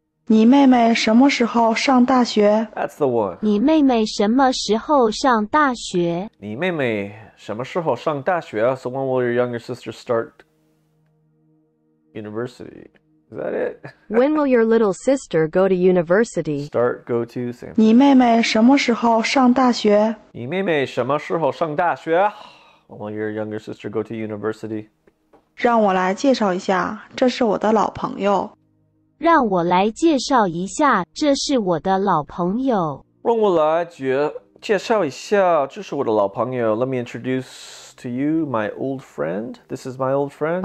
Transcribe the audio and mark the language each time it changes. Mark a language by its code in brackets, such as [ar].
[zh] 你妹妹什么时候上大学? [en] That's the one. [zh] 你妹妹什么时候上大学? 你妹妹什么时候上大学? [en] So when will your younger sister start university? Is that it? When will your little sister go to university? Start, go to, same. [zh] 你妹妹什么时候上大学? 你妹妹什么时候上大学? [en] When will your younger sister go to university? [zh] 让我来介绍一下,这是我的老朋友。让我来介绍一下,这是我的老朋友。让我来介绍一下,这是我的老朋友。 [en] Let me introduce... To you, my old friend. This is my old friend.